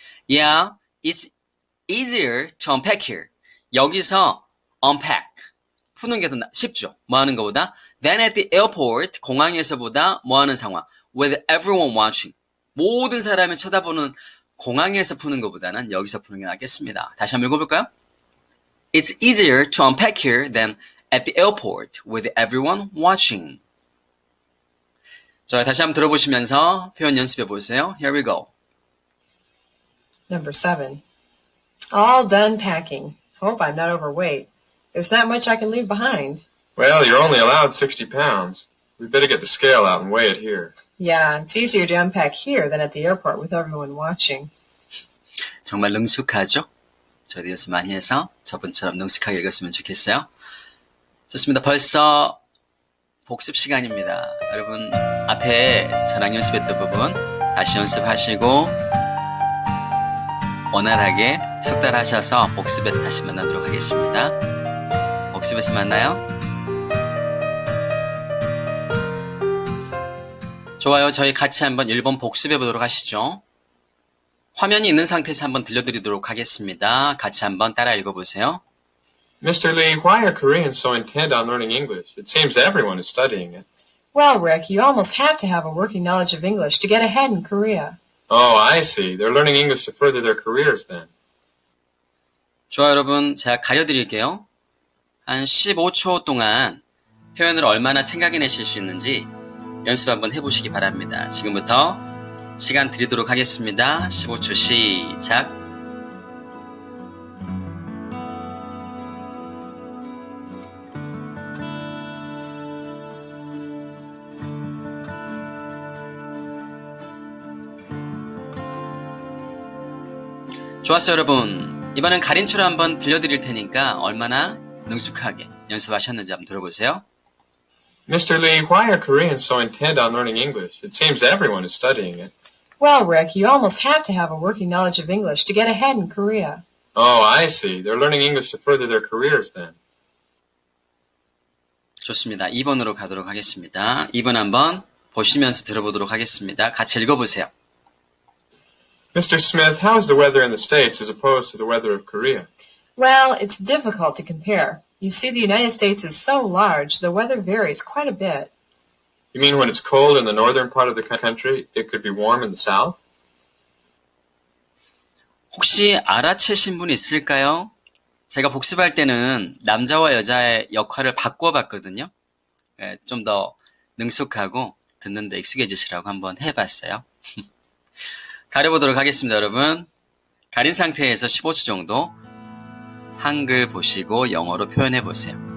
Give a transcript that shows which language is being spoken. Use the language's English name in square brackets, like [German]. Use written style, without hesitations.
[English] Yeah, it's easier to unpack here. [Korean] 여기서 [English] unpack. [Korean] 푸는 게더 쉽죠. 뭐 하는 거보다. [English] Then at the airport. [Korean] 공항에서보다 뭐 하는 상황. [English] With everyone watching. [Korean] 모든 사람이 쳐다보는 공항에서 푸는 것보다는 여기서 푸는 게 낫겠습니다. 다시 한번 읽어볼까요? [English] It's easier to unpack here than at the airport with everyone watching. [Korean] 자, 다시 한번 들어보시면서 표현 연습해 보세요. [English] Here we go. Number seven. All done packing. Hope I'm not overweight. There's not much I can leave behind. Well, you're only allowed 60 pounds. We better get the scale out and weigh it here. Yeah, it's easier to unpack here than at the airport with everyone watching. [Korean] 정말 능숙하죠? 저도 연습 많이 해서 저분처럼 능숙하게 읽었으면 좋겠어요. 좋습니다. 벌써 복습 시간입니다. 여러분, 앞에 저랑 연습했던 부분 다시 연습하시고, 원활하게 숙달하셔서 복습에서 다시 만나도록 하겠습니다. 복습에서 만나요. 좋아요. 저희 같이 한번 1번 복습해 보도록 하시죠. 화면이 있는 상태에서 한번 들려드리도록 하겠습니다. 같이 한번 따라 읽어보세요. [English] Mr. Lee, why are Koreans so intent on learning English? It seems everyone is studying it. Well, Rick, you almost have to have a working knowledge of English to get ahead in Korea. Oh, I see. They're learning English to further their careers then. [Korean] 좋아요, 여러분. 제가 가려드릴게요. 한 15초 동안 표현을 얼마나 생각해내실 수 있는지 연습 한번 해보시기 바랍니다. 지금부터 시간 드리도록 하겠습니다. 15초 시작. 좋았어요, 여러분. 이번엔 가린처럼 한번 들려드릴 테니까 얼마나 능숙하게 연습하셨는지 한번 들어보세요. [English] Mr. Lee, why are Koreans so intent on learning English? It seems everyone is studying it. Well, Rick, you almost have to have a working knowledge of English to get ahead in Korea. Oh, I see. They're learning English to further their careers then. [Korean] 좋습니다. 2번으로 가도록 하겠습니다. 2번 한번 보시면서 들어보도록 하겠습니다. 같이 읽어보세요. [English] Mr. Smith, how is the weather in the States as opposed to the weather of Korea? Well, it's difficult to compare. You see, the United States is so large, the weather varies quite a bit. You mean when it's cold in the northern part of the country, it could be warm in the south? [Korean] 혹시 알아채신 분 있을까요? 제가 복습할 때는 남자와 여자의 역할을 바꿔 봤거든요. 네, 좀 더 능숙하고 듣는데 익숙해지시라고 한번 해봤어요. 가려보도록 하겠습니다, 여러분. 가린 상태에서 15초 정도 한글 보시고 영어로 표현해 보세요.